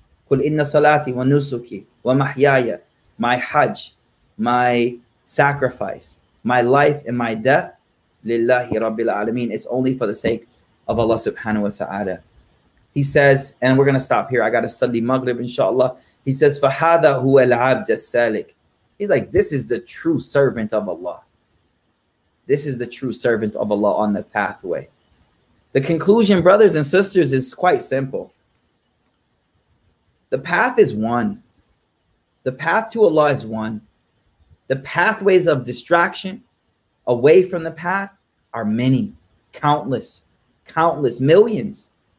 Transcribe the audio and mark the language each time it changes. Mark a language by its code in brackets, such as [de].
[ar] قُلْ إِنَّ صَلَاتِ وَنُسُكِ وَمَحْيَايَ, [en] my hajj, my sacrifice, my life and my death, [ar] لِلَّهِ رَبِّ الْعَالَمِينَ. [en] It's only for the sake of Allah subhanahu wa ta'ala. He says, and we're going to stop here. I got to study Maghrib, inshallah. He says, [ar] فَهَذَا هُوَ الْعَبْدَ السَّالِكِ. [en] He's like, this is the true servant of Allah. This is the true servant of Allah on the pathway. The conclusion, brothers and sisters, is quite simple. The path is one. The path to Allah is one. The pathways of distraction away from the path are many, countless, countless, millions.